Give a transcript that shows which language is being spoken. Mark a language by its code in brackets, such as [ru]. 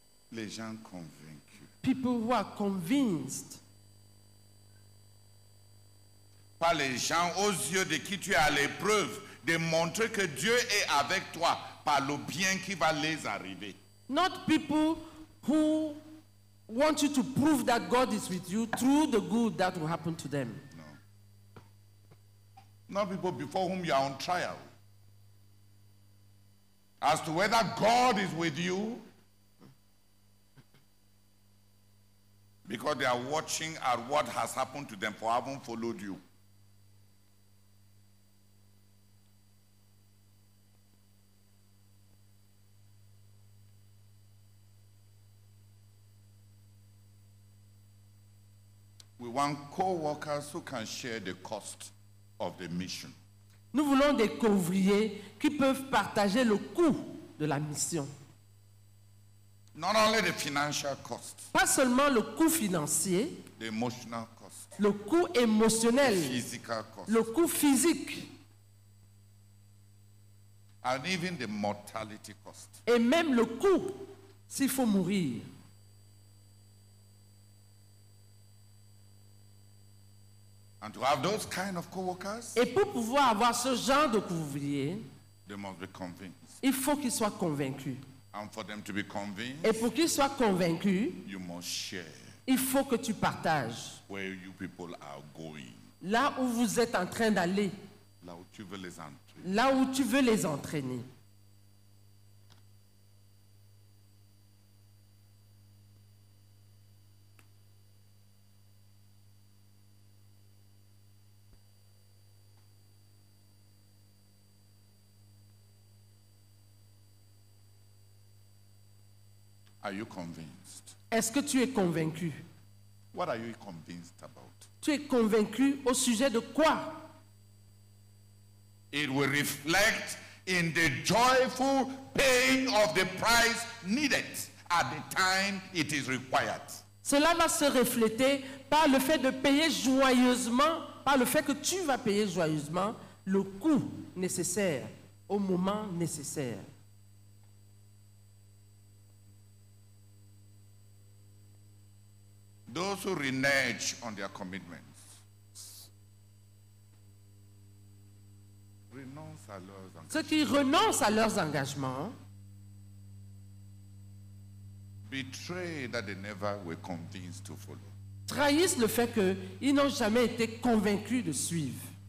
[fr] Les gens convaincus. [en] People who are convinced. [fr] Pas les gens aux yeux de qui tu es à l'épreuve. De montrer que Dieu est avec toi par le bien qui va les arriver. [en] Not people who want you to prove that God is with you through the good that will happen to them. No. Not people before whom you are on trial. As to whether God is with you, because they are watching at what has happened to them for having followed you. We want co-workers who can share the cost of the mission. [fr] Nous voulons des co-ouvriers qui peuvent partager le coût de la mission. [en] Not only the financial cost. [fr] Pas seulement le coût financier. [en] The emotional cost. [fr] Le coût émotionnel. [en] The physical cost. [fr] Le coût physique. [en] And even the mortality cost. [fr] Et même le coût s'il faut mourir. [en] And to have those kind of co-workers, [fr] et pour pouvoir avoir ce genre de couvrier, [en] they must be convinced. [fr] Il faut qu'ils soient convaincus. [en] And for them to be convinced, [fr] et pour qu'ils soient convaincus, [en] you must share. [fr] Il faut que tu partages. [en] Where you people are going. [fr] Là où vous êtes en train d'aller. Là où tu veux les entraîner. Là où tu veux les entraîner. [en] Are you convinced? [fr] Est-ce que tu es convaincu? [en] What are you convinced about? [fr] Tu es convaincu au sujet de quoi? [en] It will reflect in the joyful paying of the price needed at the time it is required. [fr] Cela va se refléter par le fait de payer joyeusement, par le fait que tu vas payer joyeusement le coût nécessaire au moment nécessaire. [en] Those who renege on their commitments, [fr] renonce à leurs engagements. Ceux qui renoncent à leurs engagements, [en] betray that they never were convinced to follow. [fr] Trahissent le fait qu'ils n'ont jamais été convaincus de suivre.